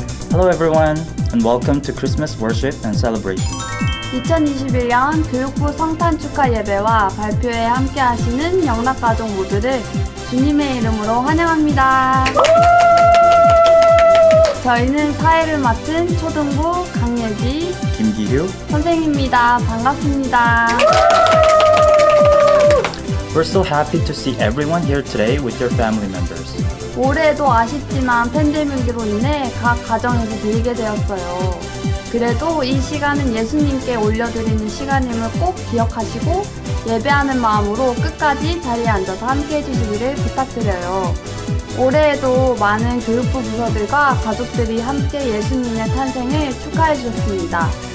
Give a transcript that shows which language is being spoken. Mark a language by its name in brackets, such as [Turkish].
[English] Hello everyone, and welcome to Christmas worship and celebration. [Korean] 2021년 교육부 성탄 축하 예배와 발표회에 함께 하시는 영락 가족 모두를 주님의 이름으로 환영합니다. 저희는 사회를 맡은 초등부 강예지, 김기효 선생님입니다. 반갑습니다. [English] We're so happy to see everyone here today with your family members. [Korean] 올해도 아쉽지만 팬데믹으로 인해 각 가정에서 들게 되었어요. 그래도 이 시간은 예수님께 올려드리는 시간임을 꼭 기억하시고 예배하는 마음으로 끝까지 자리에 앉아서 함께 해주시기를 부탁드려요. 올해에도 많은 교육부 부서들과 가족들이 함께 예수님의 탄생을 축하해 주셨습니다.